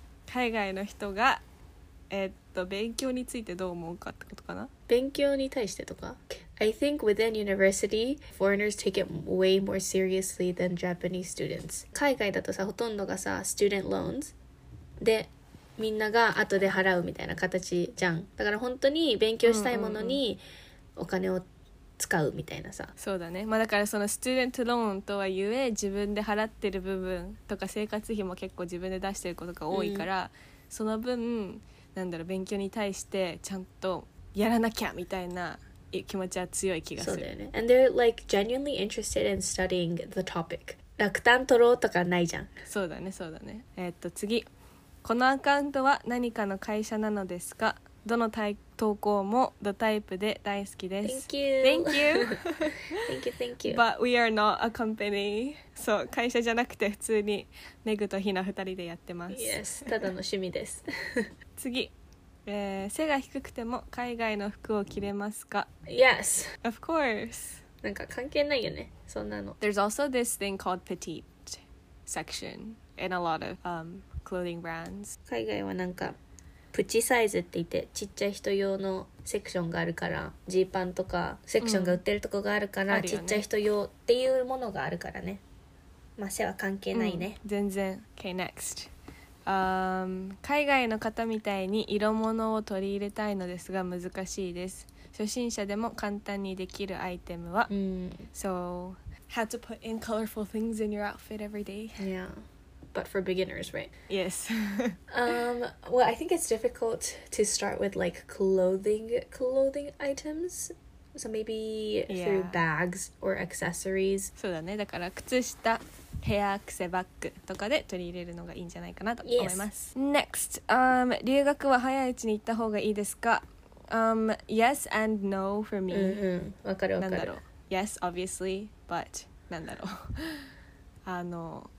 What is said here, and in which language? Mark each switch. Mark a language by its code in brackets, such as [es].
[ja] 海外の人が、勉強についてどう思うかってことかな? 勉強に対してとか? [en] I think within university, foreigners take it way more seriously than Japanese students. [ja] 海外だとさ、ほとんどがさ、student loans で、みんなが後で払うみたいな形じゃん。だから本当に勉強したいものにお金を使うみたいなさ、うんうんうん、そうだね。まあだからそのスチューデントローンとはゆえ自分で払ってる部分とか生活費も結構自分で出してることが多いから、うん、その分なんだろう、勉強に対してちゃんとやらなきゃみたいな気持ちは強い気がする。そうだよね。 [en] And they're like genuinely interested in studying the topic. [ja] 落胆取ろうとかないじゃん。そうだね、そうだね。次。このアカウントは何かの会社なのですか？どの投稿もドタイプで大好きです。 [en] Thank you. Thank you. Thank you, thank you. But we are not a company. [ja] そう、会社じゃなくて普通にメグとヒナ2人でやってます。 Yes, ただの趣味です。次。背が低くても海外の服を着れますか? [en] Yes. Of course. [ja] なんか関係ないよね、そんなの。 [en] There's also this thing called petite section in a lot of clothing brands. [ja] 海外はなんかプチサイズって言って、ちっちゃい人用のセクションがあるから、ジーパンとかセクションが売ってるとこがあるから、うん、ちっちゃい人用っていうものがあるからね。まあ背は関係ないね、うん、 [en] 全然。Okay, next. [ja] 海外の方みたいに色物を取り入れたいのですが難しいです。初心者でも簡単にできるアイテムは、 mm. [en] So how to put in colorful things in your outfit every day. Yeah, but for beginners, right? Yes. Well, I think it's difficult to start with like clothing itemsSo maybe through、yeah. bags or accessories. [ja] そうだね。だから靴下、ヘアアクセ、バッグとかで取り入れるのがいいんじゃないかなと思います。 [en] Yes. [ja] Next, 留学は早いうちに行った方がいいですか? [en] Yes and no for me. [ja] うんうん。わかるわかる。なんだろう。 [en] Yes, obviously, but [ja] なんだろう。